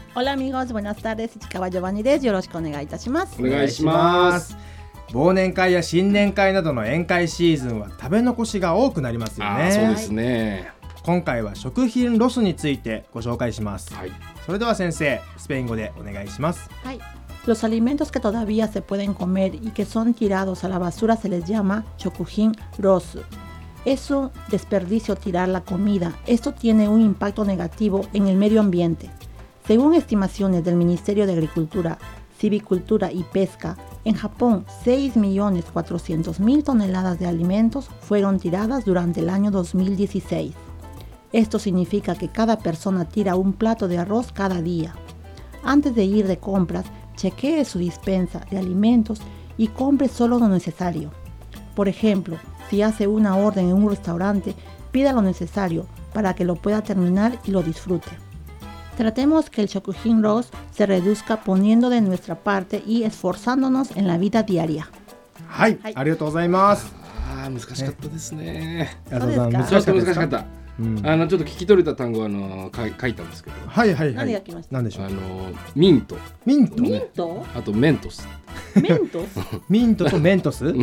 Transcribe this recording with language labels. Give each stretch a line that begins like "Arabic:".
Japanese: オラミゴズボナスターです。市川ジョバンニです。よろしくお願いいたします。お願いします。忘年会や新年会などの宴会シーズンは食べ残しが多くなりますよね。あ、そうですね。今回は食品ロスについてご紹介します。はい、それでは先生、スペイン語でお願いします。はい。
Spanish: Los alimentos que todavía se pueden comer y que son tirados a la basura se les llama 食品ロス。 Es un desperdicio tirar la comida. Esto tiene un impacto negativo en el medio ambiente. Según estimaciones del Ministerio de Agricultura, Silvicultura y Pesca, en Japón 6.400.000 toneladas de alimentos fueron tiradas durante el año 2016. Esto significa que cada persona tira un plato de arroz cada día. Antes de ir de compras, chequee su dispensa de alimentos y compre solo lo necesario. Por ejemplo,Si hace una orden en un restaurante, pida lo necesario para que lo pueda terminar y lo disfrute. Tratemos que el 食品ロス se reduzca poniendo de nuestra parte y esforzándonos en la vida diaria.
Japanese: はい、はい、ありがとうございます。難しかったですね。そうですか。難しかった、難しかった。うん、ちょっと聞き取れた単語は書いたんですけど。はいはいはい。何が来ました？何でしょう？ミント。ミント、ね、ミント？あとメントス。メントス？ミントとメントス？